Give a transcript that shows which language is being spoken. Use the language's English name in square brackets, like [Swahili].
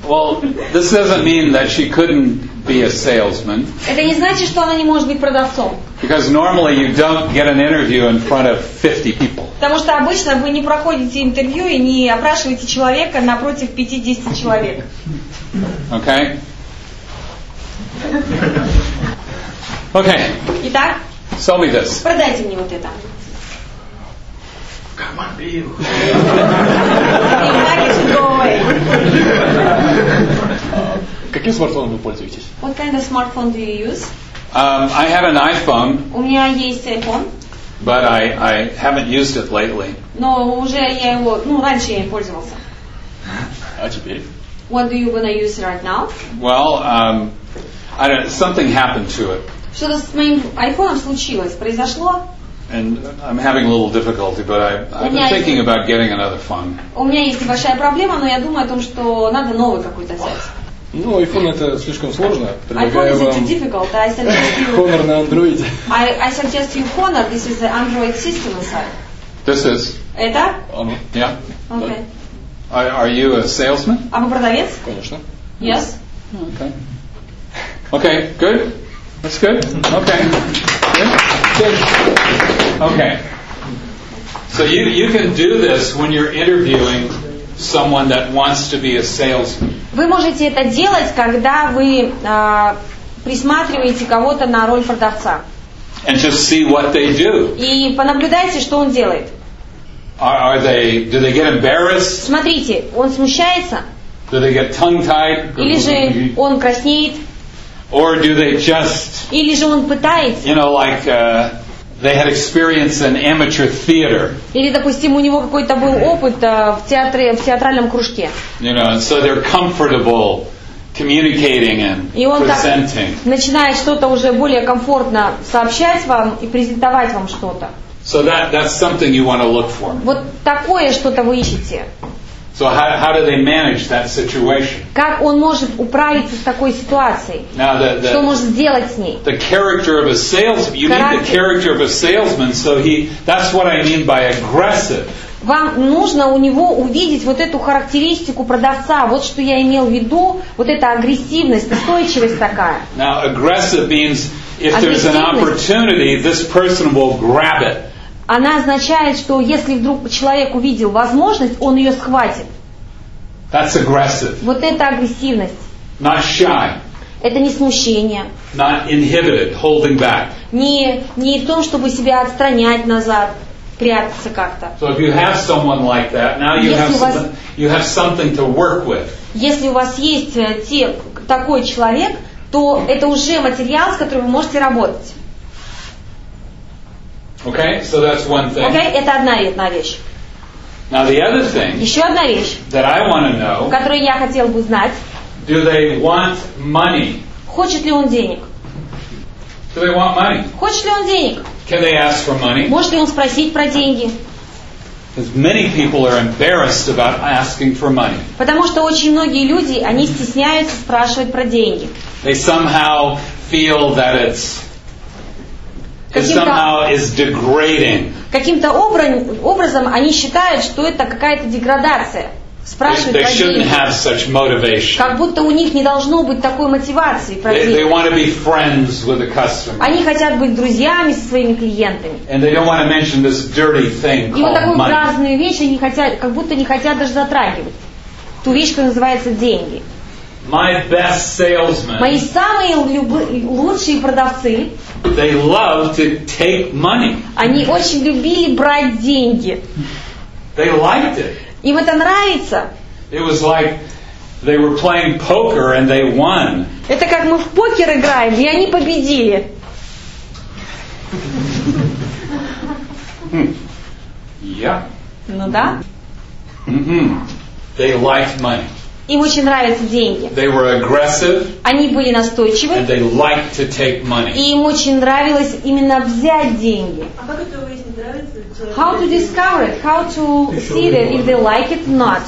[English] Well, this doesn't mean that she couldn't be a salesman. [Russian] Это не значит, что она не может быть продавцом. [English] Because normally you don't get an interview in front of 50 people. [Russian] Потому что обычно вы не проходите интервью и не опрашиваете человека напротив 50 человек. [English] Okay. Okay. [Russian] Итак. [English] Sell me this. [Russian] Продайте мне вот это. [English] Come on, Bill. [Russian] Каким смартфоном вы пользуетесь? [English] What kind of smartphone do you use? I have an iPhone. [Russian] У меня есть iPhone. [English] But I haven't used it lately. [Russian] Но уже я его, ну раньше я им пользовался. А теперь? [English] What do you want to use right now? Well, I don't, something happened to it. [Russian] Что-то с моим iPhone случилось, произошло? [English] And I'm having a little difficulty, but I've been thinking about getting another phone. [Russian] У меня есть небольшая проблема, но я думаю о том, что надо новый какой-то взять. Ну, iPhone это слишком сложно. Предлагаю вам Honor на Android. [English] I suggest you Honor. This is the Android system inside. This is. [Russian] Это? [English] Yeah. Okay. Are you a salesman? [Russian] А вы продавец? Конечно. [English] Yes. Okay. Okay. Good. That's good. Okay. Good. Okay. So you can do this when you're interviewing someone that wants to be a salesman. [Russian] Вы можете это делать, когда вы присматриваете кого-то на роль продавца. [English] And just see what they do. [Russian] И понаблюдайте, что он делает. [English] Do they get embarrassed? [Russian] Смотрите, он смущается? [English] Do they get tongue-tied? [Russian] Или же он краснеет? [English] Or do they just, [Russian] или же он пытается? [English] You know, like, they had experience in amateur theater. [Russian] Или, допустим, у него какой-то был опыт в театре, в театральном кружке. [English] You know, and so they're comfortable communicating and presenting. [Russian] И он так начинает что-то уже более комфортно сообщать вам и презентовать вам что-то. [English] So that's something you want to look for. [Russian] Вот такое что-то вы ищете. [English] So how do they manage that situation? [Russian] Как он может управиться с такой ситуацией? [English] Now the, [Russian] что может сделать с ней? [English] The character of a salesman. You need the character of a salesman. So he. That's what I mean by aggressive. [Russian] Вам нужно у него увидеть вот эту характеристику продавца. Вот что я имел в виду. Вот эта агрессивность, настойчивость такая. [English] Now aggressive means if there's an opportunity, this person will grab it. [Russian] Она означает, что если вдруг человек увидел возможность, он ее схватит. [English] That's aggressive. [Russian] Вот это агрессивность. [English] Not shy. [Russian] Это не смущение. [English] Not inhibited, holding back. [Russian] Не в том, чтобы себя отстранять назад, прятаться как-то. [English] So if you have someone like that, now you have something to work with. [Russian] Если у вас есть такой человек, то это уже материал, с которым вы можете работать. [English] Okay, so that's one thing. [Russian] Okay, это одна вещь. [English] Now the other thing. [Russian] Еще одна вещь. [English] That I want to know. [Russian] Которую я хотел бы знать. [English] Do they want money? [Russian] Хочет ли он денег? [English] Do they want money? [Russian] Хочет ли он денег? [English] Can they ask for money? [Russian] Может ли он спросить про деньги? [English] Because many people are embarrassed about asking for money. [Russian] Потому что очень многие люди, они стесняются спрашивать про деньги. [English] They somehow feel that it's somehow is degrading. [Russian] Каким-то образом они считают, что это какая-то деградация. Спрашивают [English] They shouldn't [Russian] деньги. [English] Have such motivation. [Russian] Как будто у них не должно быть такой мотивации. [English] They want to be friends with the customer. [Russian] Они хотят быть друзьями со своими клиентами. [English] And they don't want to mention this dirty thing called [Russian] И вот такую [English] money. [Russian] Грязную вещь они хотят, как будто не хотят даже затрагивать. Ту вещь, которая называется деньги. [English] My best salesman. [Russian] Мои самые лучшие продавцы. [English] They love to take money. [Russian] Они очень любили брать деньги. [English] They liked it. [Russian] Им это нравится. [English] It was like they were playing poker and they won. [Russian] Это как мы в покер играем, и они победили. [English] Yeah. [Russian] Ну да. [English] Mm-hmm. They liked money. [Russian] Им очень нравятся деньги. [English] They were aggressive, [Russian] они были настойчивы. [English] And they liked to take money. [Russian] И им очень нравилось именно взять деньги. А как это выяснить, нравится человек? [English] How to discover it? How to see that if they like it or not?